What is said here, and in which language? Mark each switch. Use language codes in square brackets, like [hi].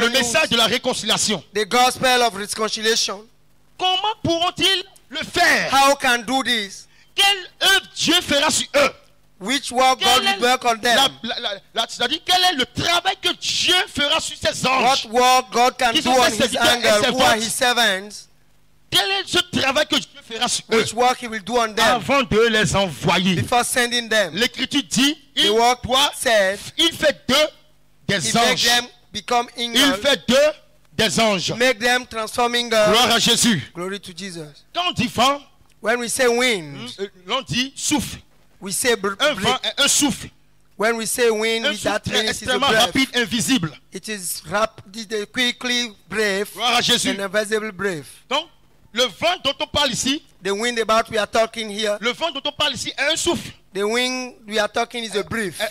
[fr] Le message de la réconciliation. [en] The gospel of reconciliation. [fr] Comment pourront-ils le faire? [en] How can do this? [fr] Quelle œuvre Dieu fera sur eux? [en] which work God will work on them. [fr] C'est-à-dire, quel est le travail que Dieu fera sur ses anges? [en] What work God can do on his angels, who are his servants? [fr] Quel est ce travail que Dieu fera sur [en] which [fr] eux? [en] Work he will do on them? [fr] Avant de les envoyer. [en] Before sending them. [fr] L'Écriture dit, [en] the work says, [fr] il fait d'eux des anges. [en] Them become angels. [fr] Il fait d'eux des anges. [en] Make them transforming. [fr] Gloire à Jésus. [en] Glory to Jesus. [fr] Quand on dit vent, [en] when we say wind, [fr] l'on dit souffle. [en] We say [fr] un souffle. [en] When we say wind, [fr] un souffle [en] that [fr] très extrêmement rapide, invisible. [en] It is rapid, quickly brief. [fr] Gloire à Jésus. [en] An invisible brief. [fr] Donc, le vent dont on parle ici, [en] the wind about we are talking here, [fr] le vent dont on parle ici est un souffle. [en] The wind we are talking is a brief.